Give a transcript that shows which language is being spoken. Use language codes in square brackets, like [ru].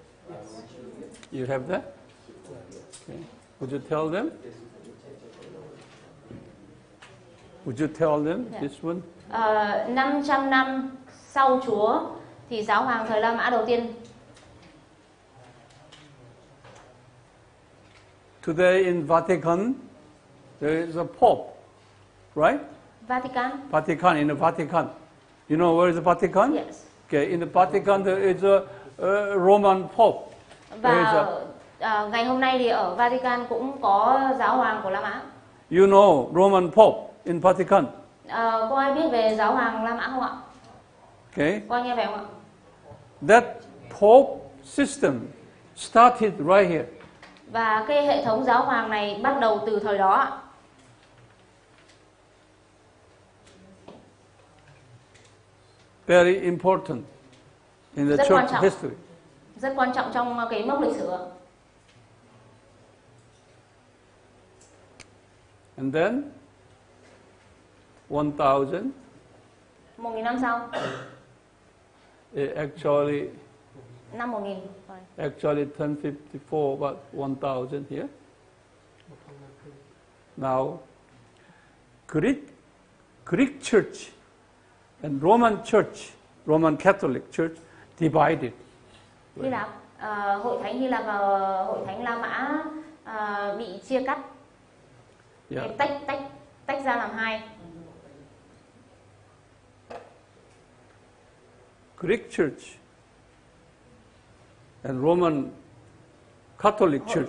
[en] Yes. You have that? Okay. Would you tell them? Would you tell them this one? [vi] 500 năm sau Chúa thì giáo hoàng thời La Mã đầu tiên. [en] Today in Vatican there is a pope, right? Vatican. Vatican, in the Vatican. You know where is the Vatican? Yes. Okay, in the Vatican there is a Roman pope. [vi] Và ngày hôm nay thì ở Vatican cũng có giáo hoàng của La Mã. [en] You know Roman pope in Vatican? [vi] Có ai biết về giáo hoàng La Mã không ạ? [en] Okay. [vi] Có ai nghe về không ạ? [en] That pope system started right here. [vi] Và cái hệ thống giáo hoàng này bắt đầu từ thời đó. [en] Very important in the church history. [vi] Rất quan trọng trong cái mốc lịch sử. [en] And then 1000. [vi] 1000 năm sau. [en] Actually [vi] năm 1000. [en] Actually 1054, but 1000 here. Now, Greek Greek church and Roman church, Roman Catholic church, divided. [vi] Hy Lạp, hội thánh Hy Lạp và hội thánh La Mã bị chia cắt. [en] Yeah. [vi] Tách ra làm hai. [en] Greek church and Roman Catholic church.